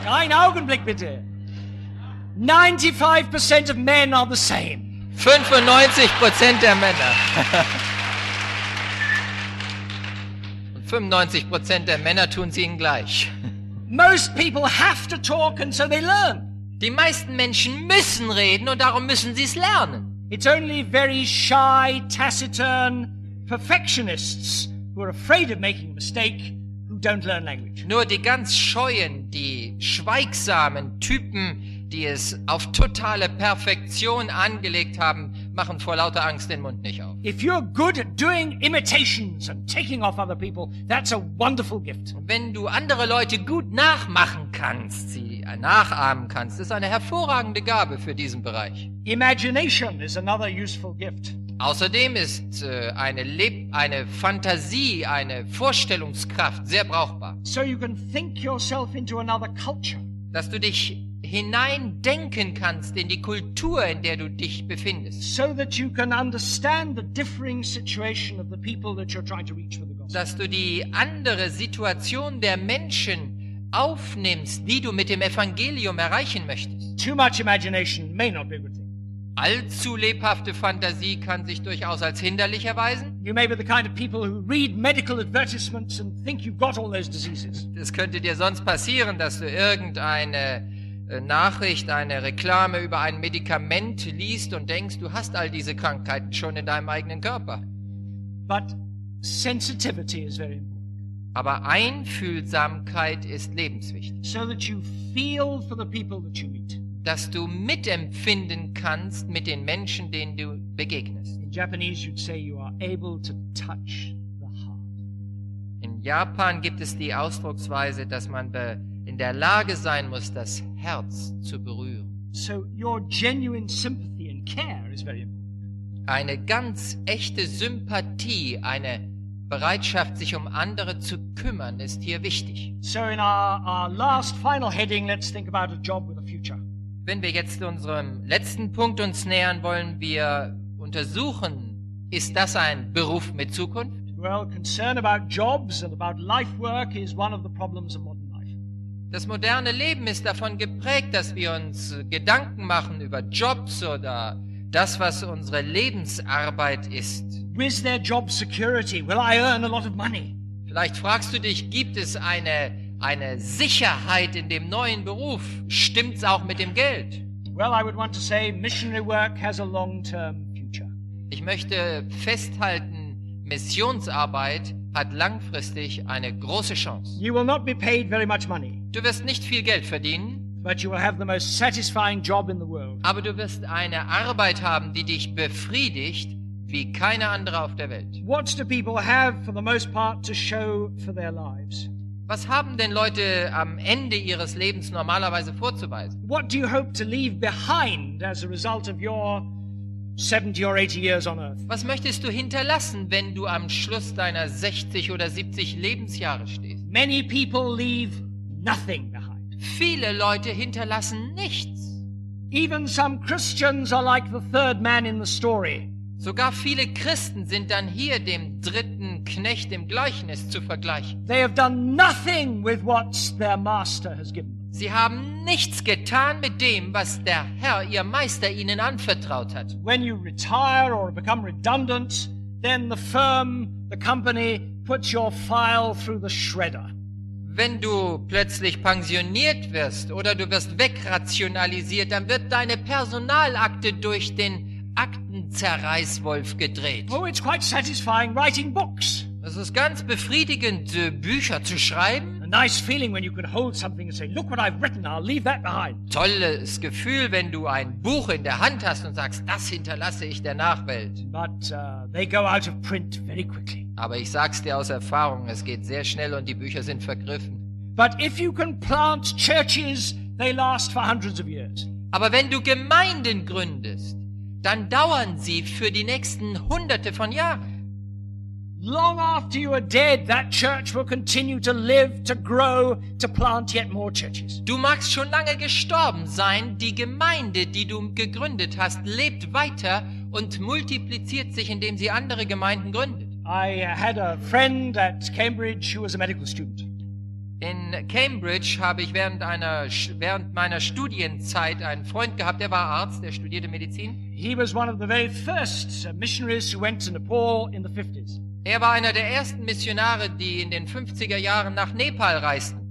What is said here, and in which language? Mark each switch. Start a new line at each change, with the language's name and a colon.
German: Einen Augenblick bitte.
English: 95% of men are the same.
German: 95% der Männer. Und 95% der Männer tun sie ihnen gleich.
English: Most people have to talk and so they learn.
German: Die meisten Menschen müssen reden und darum müssen sie es lernen.
English: It's only very shy, taciturn perfectionists who are afraid of making a mistake who don't learn language.
German: Nur die ganz scheuen, die schweigsamen Typen, die es auf totale Perfektion angelegt haben, machen vor lauter Angst den Mund nicht auf.
English: If you're good at doing imitations and taking off other people, that's a wonderful gift.
German: Wenn du andere Leute gut nachmachen kannst, sie nachahmen kannst, ist eine hervorragende Gabe für diesen Bereich.
English: Imagination is another useful gift.
German: Außerdem ist eine Fantasie, eine Vorstellungskraft sehr brauchbar.
English: So you can think yourself into another culture.
German: Dass du dich hineindenken kannst in die Kultur, in der du dich befindest.
English: So that you can understand the differing situation of the people that you're trying to reach for the gospel.
German: Dass du die andere Situation der Menschen aufnimmst, die du mit dem Evangelium erreichen möchtest.
English: Too much imagination may not be a good thing.
German: Allzu lebhafte Fantasie kann sich durchaus als hinderlich erweisen.
English: You may be the kind of people who read medical advertisements and think you've got all those diseases.
German: Das könnte dir sonst passieren, dass du irgendeine Nachricht, eine Reklame über ein Medikament liest und denkst, du hast all diese Krankheiten schon in deinem eigenen Körper.
English: But sensitivity is very important.
German: Aber Einfühlsamkeit ist lebenswichtig.
English: So that you feel for the people that you meet.
German: Dass du mitempfinden kannst mit den Menschen, denen du begegnest.
English: In Japanese you'd say you are able to touch the heart.
German: In Japan gibt es die Ausdrucksweise, dass man in der Lage sein muss, das Herz zu berühren.
English: So your genuine sympathy and care is very important.
German: Eine ganz echte Sympathie, eine Bereitschaft, sich um andere zu kümmern, ist hier wichtig.
English: So in our last final heading, let's think about a job with a future.
German: Wenn wir jetzt unserem letzten Punkt uns nähern, wollen wir untersuchen, ist das ein Beruf mit Zukunft?
English: Well, concern about jobs and about life work is one of the problems of modern life.
German: Das moderne Leben ist davon geprägt, dass wir uns Gedanken machen über Jobs oder das, was unsere Lebensarbeit ist.
English: Is there job security? Will I earn a lot of money?
German: Vielleicht fragst du dich, gibt es eine Sicherheit in dem neuen Beruf, stimmt's auch mit dem Geld?
English: Well, I would want to say missionary work has a long-term future.
German: Ich möchte festhalten, Missionsarbeit hat langfristig eine große Chance.
English: You will not be paid very much money.
German: Du wirst nicht viel Geld verdienen.
English: But you will have the most satisfying job in the world.
German: Aber du wirst eine Arbeit haben, die dich befriedigt wie keine andere auf der Welt.
English: What do people have for the most part to show for their lives?
German: Was haben denn Leute am Ende ihres Lebens normalerweise vorzuweisen?
English: What do you hope to leave behind as a result of your 70 or 80 years on earth?
German: Was möchtest du hinterlassen, wenn du am Schluss deiner 60 oder 70 Lebensjahre stehst?
English: Many people leave nothing behind.
German: Viele Leute hinterlassen nichts.
English: Even some Christians are like the third man in the story.
German: Sogar viele Christen sind dann hier dem dritten Knecht im Gleichnis zu vergleichen.
English: They have done nothing with what their master has given them.
German: Sie haben nichts getan mit dem, was der Herr, ihr Meister, ihnen anvertraut hat.
English: When you retire or become redundant, then the firm, the company, puts your file through the shredder.
German: Wenn du plötzlich pensioniert wirst oder du wirst wegrationalisiert, dann wird deine Personalakte durch den Aktenzerreißwolf gedreht.
English: Oh, it's quite satisfying writing books.
German: Es ist ganz befriedigend, Bücher zu schreiben.
English: A nice feeling when you can hold something and say, look what I've written, I'll leave that behind.
German: Tolles Gefühl, wenn du ein Buch in der Hand hast und sagst, das hinterlasse ich der Nachwelt.
English: But they go out of print very quickly.
German: Aber ich sag's dir aus Erfahrung, es geht sehr schnell und die Bücher sind vergriffen.
English: But if you can plant churches, they last for hundreds of years.
German: Aber wenn du Gemeinden gründest, dann dauern sie für die nächsten hunderte von Jahren.
English: Long after you are dead, that church will continue to live, to grow, to plant yet more churches.
German: Du magst schon lange gestorben sein, die Gemeinde, die du gegründet hast, lebt weiter und multipliziert sich, indem sie andere Gemeinden gründet.
English: I had a friend at Cambridge who was a medical student.
German: In Cambridge habe ich während meiner Studienzeit einen Freund gehabt, der war Arzt, der studierte Medizin.
English: He was one of the very first missionaries who went to Nepal in the 50s.
German: Er war einer der ersten Missionare, die in den 50er Jahren nach Nepal reisten.